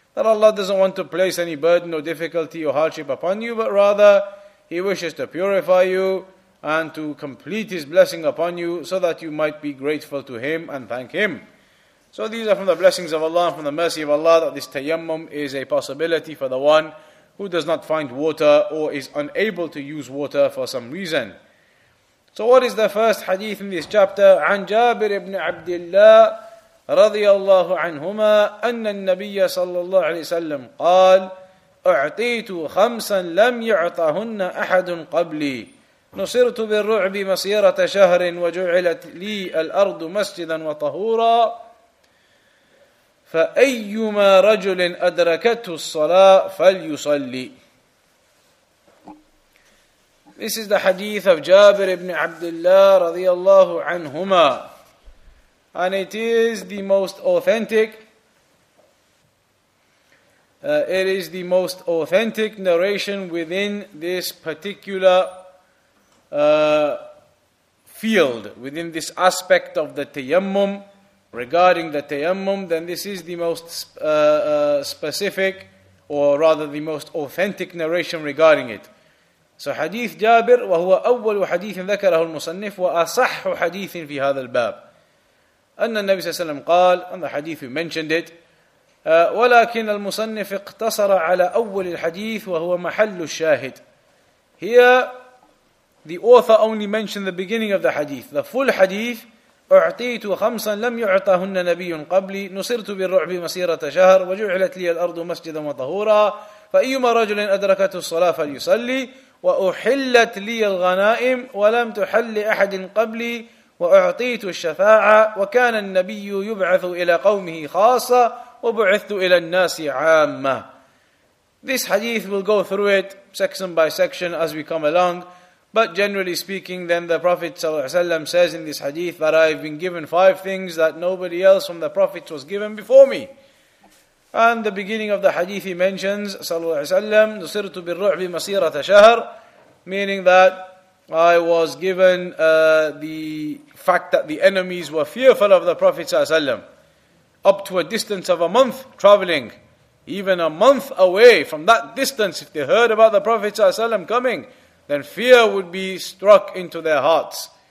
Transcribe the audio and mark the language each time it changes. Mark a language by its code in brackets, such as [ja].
[en] That Allah doesn't want to place any burden or difficulty or hardship upon you, but rather He wishes to purify you and to complete His blessing upon you so that you might be grateful to Him and thank Him. So these are from the blessings of Allah and from the mercy of Allah that this tayammum is a possibility for the one who does not find water or is unable to use water for some reason. So what is the first hadith in this chapter? [ar] عن جابر بن عبد الله رضي الله عنهما أن النبي صلى الله عليه وسلم قال أعطيت خمسا لم يعطهن أحد قبلي نصرت بالرعب مسيرة شهر وجعلت لي الأرض مسجدا وطهورا فأيما رجل أدركته الصلاة فليصلي. [en] This is the hadith of Jabir ibn Abdullah radiyallahu anhuma, and it is the most authentic. It is the most authentic narration within this particular field, within this aspect of the tayammum. Regarding the tayammum, then this is the most specific, or rather the most authentic narration regarding it. So hadith Jabir, [ar] وهو أول حديث ذكره المصنف وأصح حديث في هذا الباب. أن النبي صلى الله عليه وسلم قال, [en] and the hadith we mentioned it, [ar] ولكن المصنف اقتصر على أول الحديث وهو محل الشاهد. [en] Here, the author only mentioned the beginning of the hadith. The full hadith, [ar] أعطيت خمسا لم يعطهن نبي قبلي نصرت بالرعب مسيرة شهر وجعلت لي الأرض مسجدا وطهورا فأيما رجل أدركته الصلاة فليصلي وأحلت لي الغنائم ولم تحل أحد قبلي وأعطيت الشفاعة وكان النبي يبعث إلى قومه خاصة وبعثت إلى الناس عامة. [en] This hadith will go through it section by section as we come along. But generally speaking, then the Prophet ﷺ says in this hadith that I have been given five things that nobody else from the Prophets was given before me. And the beginning of the hadith he mentions, ﷺ, [ar] نُصِرْتُ بِالرُّعْبِ مَصِيرَةَ شَهْرٍ, [en] meaning that I was given the fact that the enemies were fearful of the Prophet ﷺ, up to a distance of a month traveling, even a month away from that distance, if they heard about the Prophet ﷺ coming, then fear would be struck into their hearts.